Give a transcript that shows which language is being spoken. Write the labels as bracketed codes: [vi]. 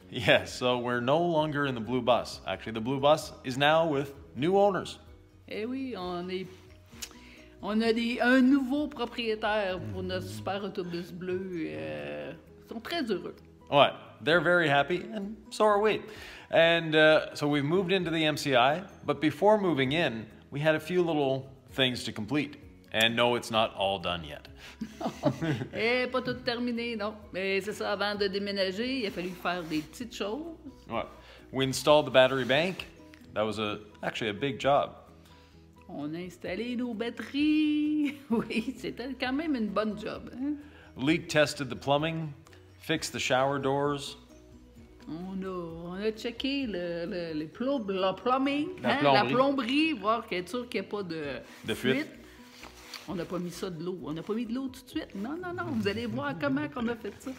[en] Yes, so we're no longer in the blue bus. Actually, the blue bus is now with new owners. [fr] Eh oui, on a un nouveau propriétaire pour notre super autobus bleu. Ils sont très heureux. [en] Ouais, they're very happy, and so are we. And so we've moved into the MCI, but before moving in, we had a few little things to complete. And no, it's not all done yet. [fr] Eh, pas tout terminé, non. Mais c'est ça, avant de déménager, il a fallu faire des petites choses. [en] Ouais. We installed the battery bank. That was actually a big job. [fr] On a installé nos batteries. Oui, c'était quand même une bonne job. Hein? [en] Leak tested the plumbing, fixed the shower doors. [fr] On a checké le plumbing, la plomberie, voir qu'il est sûr qu'il n'y a pas de fuite. On n'a pas mis ça de l'eau. On n'a pas mis de l'eau tout de suite. Non. Vous allez voir comment qu'on a fait ça.